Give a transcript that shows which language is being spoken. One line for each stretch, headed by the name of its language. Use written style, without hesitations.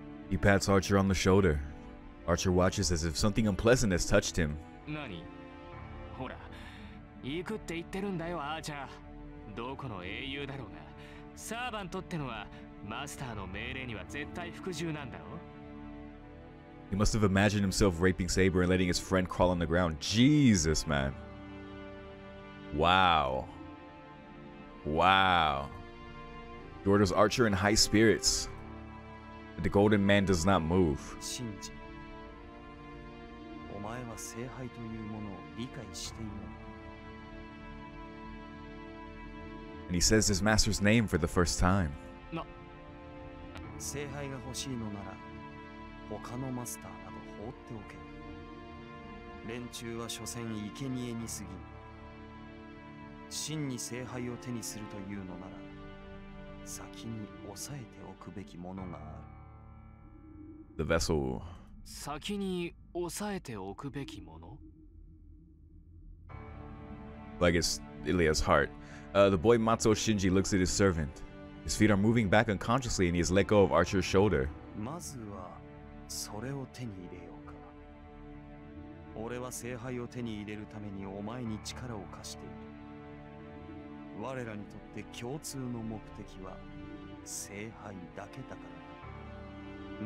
English: He pats Archer on the shoulder. Archer watches as if something unpleasant has touched him.
Japanese: 何？ほら、行くって言ってるんだよ、アーチャー。どこの英雄だろうが、サーバントってのはマスターの命令には絶対服従なんだろう。
English: He must have imagined himself raping Saber and letting his friend crawl on the ground. Jesus, man. Wow. Wow. He orders Archer in high spirits. But the Golden Man does not move.
Japanese: Shinji. Omae wa seihai というものを理解しているの?
English: And he says his master's name for the first time. No.
Japanese: Seihai ga hoshii no nara. 他のマスターなど放っておけ。連中は所詮生贄に過ぎ、真に聖杯を手にするというのなら、先に押さえておくべきものがある。
English: The vessel。
Japanese: 先に押さえておくべきもの。
English: Like it's Ilya's heart. The boy Matsuo Shinji looks at his servant. His feet are moving back unconsciously, and he has let go of Archer's shoulder.
Japanese: まずは。それを手に入れようか。俺は聖杯を手に入れるためにお前に力を貸している。我らにとって共通の目的は聖杯だけだから。